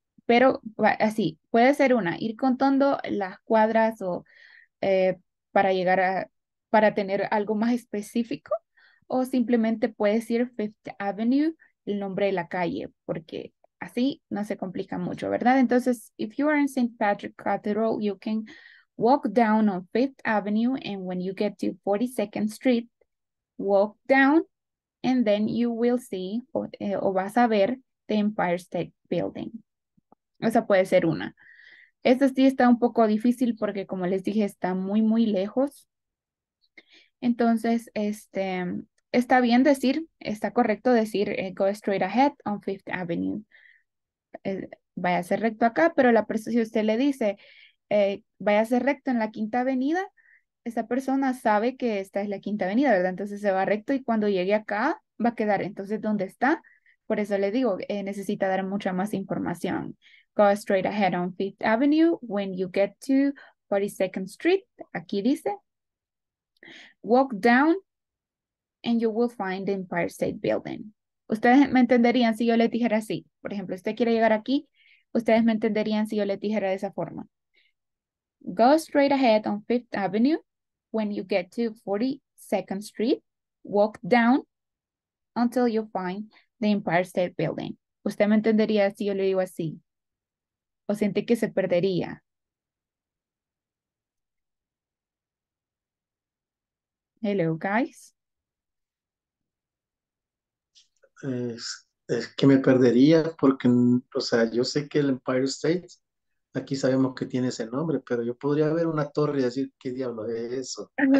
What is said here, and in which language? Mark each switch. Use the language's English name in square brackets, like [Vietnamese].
[Spanish] Pero así, puede ser una, ir contando las cuadras o para tener algo más específico. O simplemente puedes ir Fifth Avenue, el nombre de la calle, porque así no se complica mucho, ¿verdad? Entonces, [English] if you are in St. Patrick Cathedral, you can walk down on Fifth Avenue, and when you get to 42nd Street, walk down, and then you will see, [Spanish] o vas a ver, [English] the Empire State Building. [Spanish] Esa puede ser una. Esta sí está un poco difícil porque, como les dije, está muy, muy lejos. Entonces, está bien decir, está correcto decir, [English] go straight ahead on Fifth Avenue. [Spanish] Vaya a ser recto acá, pero la persona, si usted le dice, vaya a ser recto en la Quinta Avenida, esa persona sabe que esta es la Quinta Avenida, ¿verdad? Entonces se va recto y cuando llegue acá, va a quedar. Entonces, ¿dónde está? Por eso le digo, necesita dar mucha más información. [English] Go straight ahead on Fifth Avenue when you get to 42nd Street. [Spanish] Aquí dice. [English] Walk down and you will find the Empire State Building. [Spanish] Ustedes me entenderían si yo les dijera así. Por ejemplo, usted quiere llegar aquí. Ustedes me entenderían si yo les dijera de esa forma. [English] Go straight ahead on Fifth Avenue when you get to 42nd Street. Walk down until you find the Empire State Building. [Spanish] ¿Usted me entendería si yo le digo así? ¿O siente que se perdería? [English] Hello, guys. [Spanish] Es que me perdería porque, o sea, yo sé que el Empire State, aquí sabemos que tiene ese nombre, pero yo podría ver una torre y decir, ¿qué diablo es eso?